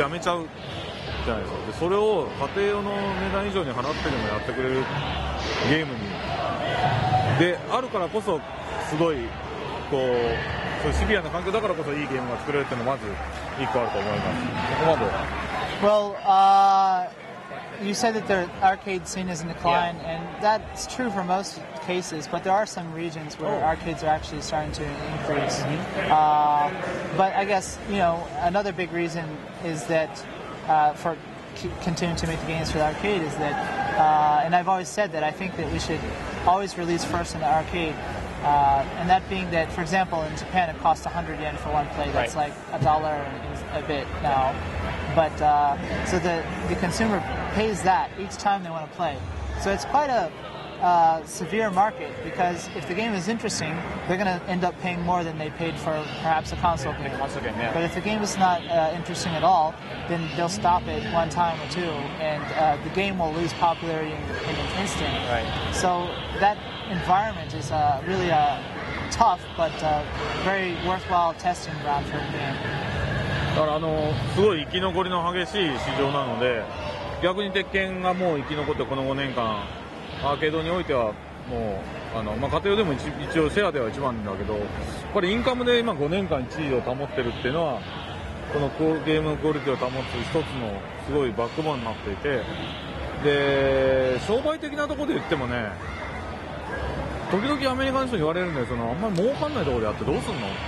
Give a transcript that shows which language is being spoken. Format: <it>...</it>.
<ja>やめちゃうじゃないですか。でそれを家庭用の値段以上に払ってでもやってくれるゲームにであるからこそ、すごいこうそういうシビアな環境だからこそいいゲームが作れるっていうのがまず一個あると思います。ここまで。</ja> <en>Well, you said that the arcade scene is in decline, and that's true for most cases, but there are some regions where arcades are actually starting to increase. But I guess, you know, another big reason is that for continue to make the games for the arcade is that, and I've always said that I think that we should always release first in the arcade. And that being that, for example, in Japan it costs 100 yen for one play. That's right. Like a dollar and a bit now. But so the consumer pays that each time they want to play. So it's quite a severe market, because if the game is interesting, they're going to end up paying more than they paid for perhaps a console game. But if the game is not interesting at all, then they'll stop it one time or two, and the game will lose popularity in an instant. Right. So that environment is really a tough but very worthwhile testing ground for the game.</en> <ja>だからすごい生き残りの激しい市場なので、逆に鉄拳がもう生き残ってこの5年間アーケードにおいてはもう家庭用でも一応シェアでは一番なんだけど、これインカムで今5年間1位を保ってるっていうのは、このゲームのクオリティを保つ一つのすごいバックボーンになっていて、で商売的なところで言ってもね、時々アメリカの人に言われるんで、そのあんまり儲かんないところでやってどうすんの。</ja>